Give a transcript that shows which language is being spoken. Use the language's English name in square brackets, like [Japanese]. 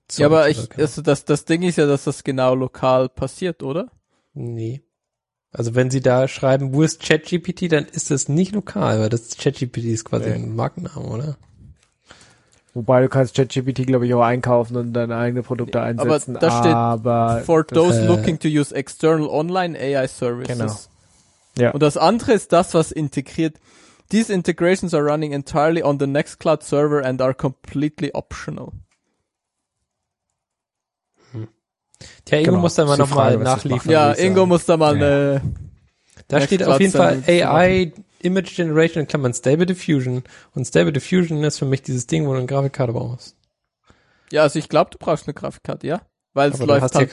[German] Ja, aber das Ding ist ja, dass das genau lokal passiert, oder? Nee. Also wenn sie da schreiben, wo ist ChatGPT, dann ist das nicht lokal, weil das ChatGPT ist quasi ein Markenname, oder? Wobei du kannst ChatGPT, glaube ich, auch einkaufen und deine eigenen Produkte einsetzen. Aber da steht, [English] for those looking to use external online AI services. [German] Genau. Ja. Und das andere ist das, was integriert. [English] These integrations are running entirely on the Nextcloud server and are completely optional. [German] Tja, Ingo muss da mal nochmal nachliefern. Ja, Ingo muss da mal eine. Da steht auf jeden Fall AI Image Generation in Klammern Stable Diffusion. Und Stable Diffusion ist für mich dieses Ding, wo du eine Grafikkarte brauchst. Ja, also ich glaube, du brauchst eine Grafikkarte, ja? Weil es läuft halt bei dir.